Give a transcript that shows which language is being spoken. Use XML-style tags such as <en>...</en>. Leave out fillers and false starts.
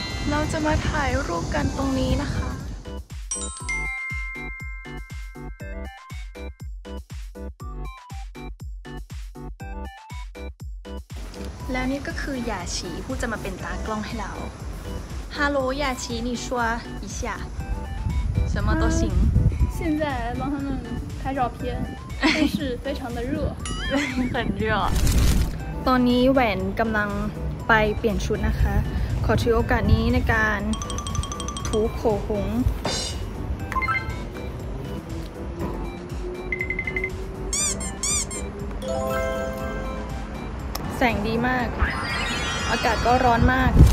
<th>เราจะมาถ่ายรูปกันตรงนี้นะคะแล้วนี่ก็คือหย่าฉีผู้จะมาเป็นตากล้องให้เราฮัลโหลหย่าฉี</th> <zh>你说一下什么都行现在帮他们拍照片但是非常的热很热</zh> <th>ตอนนี้แหวนกำลังไปเปลี่ยนชุดนะคะขอถือโอกาสนี้ในการถูโขหงแสงดีมากอากาศก็ร้อนมาก</th>